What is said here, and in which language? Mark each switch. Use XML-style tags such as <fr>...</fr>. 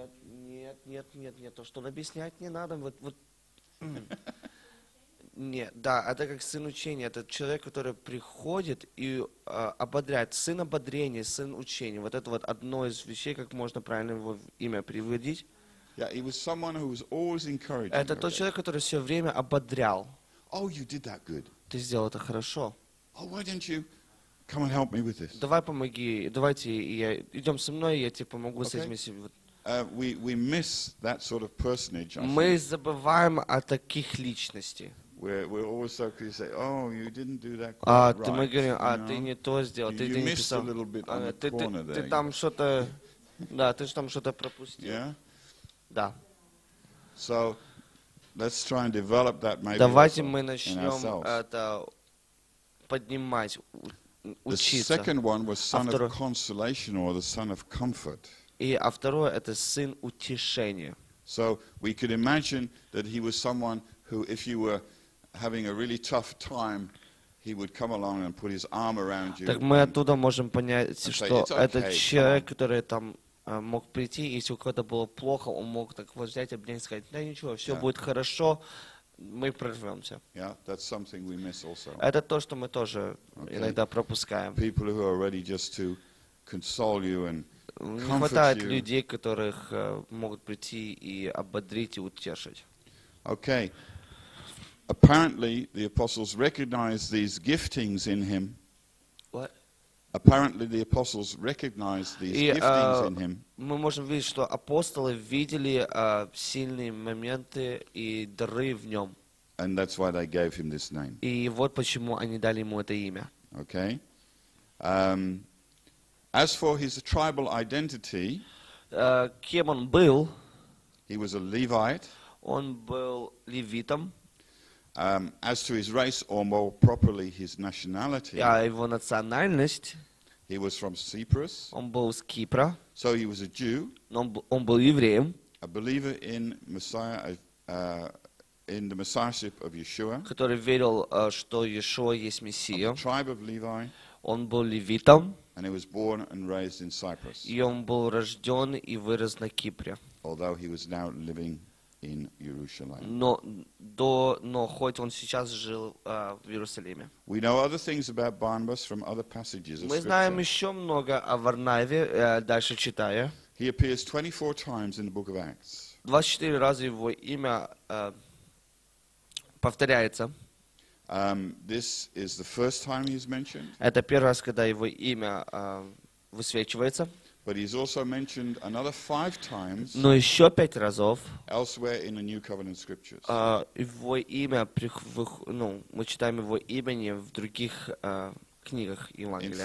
<ru>Нет, то, что он объясняет, не надо. Нет, да, это как сын учения. Это человек, который приходит и ободряет. Сын ободрения, сын учения. Вот это вот одно из вещей, как можно правильно его имя приводить.</ru> <en>Yeah, it was someone who was always encouraging.</en> <ru>Это тот человек, который все время ободрял.</ru> <en>Oh, you did that good.</en> <ru>Ты сделал это хорошо.</ru> <en>Oh, why didn't you come and help me with this?</en> <ru>Давай помоги, давайте, идем со мной, я тебе помогу с этим.</ru> <en>We miss that sort of personage.</en> <ru>Мы забываем о таких личностей.</ru> <en>We're always so quick to say, "Oh, you didn't do that quite right."</en> <ru>Ты мы говорим, ты не то сделал, ты не писал.</ru> <en>You missed a little bit on the corner there.</en> <ru>Ты там что-то, да, ты же там что-то пропустил.</ru> <en>Yeah.</en> <ru>Да.</ru> <en>So, let's try and develop that maybe.</en> <ru>Давайте мы начнем это поднимать, учиться.</ru> <en>The second one was son of consolation or the son of comfort.</en> <ru>И а второе это сын утешения.</ru> <en>So we could imagine that he was someone who, if you were having a really tough time, he would come along and put his arm around you.</en> <ru>Так мы оттуда можем понять, что этот человек, который там мог прийти, если у кого-то было плохо, он мог так взять, обнять и сказать: "Да ничего, все будет хорошо, мы прорвемся."</ru> <en>Yeah, that's something we miss also.</en> <ru>Это то, что мы тоже иногда пропускаем.</ru> <en>People who are ready just to console you and</en> <ru>не хватает людей, которых могут прийти и ободрить и утешить.</ru> <en>Okay. Apparently, the apostles recognized these giftings in him. What? Apparently, the apostles recognized these giftings in him.</en> <ru>Мы можем видеть, что апостолы видели сильные моменты и дары в нем.</ru> <en>And that's why they gave him this name.</en> <ru>И вот почему они дали ему это имя.</ru> <en>Okay. As for his tribal identity,</en> <ru>кем он был?</ru> <en>He was a Levite.</en> <ru>Он был левитом.</ru> <en>As to his race, or more properly, his nationality,</en> <ru>его национальность.</ru> <en>He was from Cyprus.</en> <ru>Он был с Кипра.</ru> <en>So he was a Jew.</en> <ru>Он был евреем.</ru> <en>A believer in Messiah, in the messiahship of Yeshua.</en> <ru>Который верил, что Иешуа есть мессия.</ru> <en>Of the tribe of Levi.</en> <ru>Он был левитом.</ru> <en>And he was born and raised in Cyprus.</en> <ru>И он был рожден и вырос на Кипре.</ru> <en>Although he was now living in Jerusalem.</en> <ru>Но хоть он сейчас жил в Иерусалиме.</ru> <en>We know other things about Barnabas from other passages.</en> <ru>Мы знаем еще много о Варнаве, дальше читая.</ru> <en>He appears 24 times in the book of Acts.</en> <ru>24 раза его имя повторяется.</ru> <en>This is the first time he's mentioned.</en> <ru>Это первый раз, когда его имя высвечивается.</ru> <en>But he's also mentioned another 5 times.</en> <ru>Но еще 5 разов.</ru> <en>Elsewhere in the New Covenant Scriptures.</en> <ru>Его имя мы читаем его имени в других книгах Евангелия.</ru>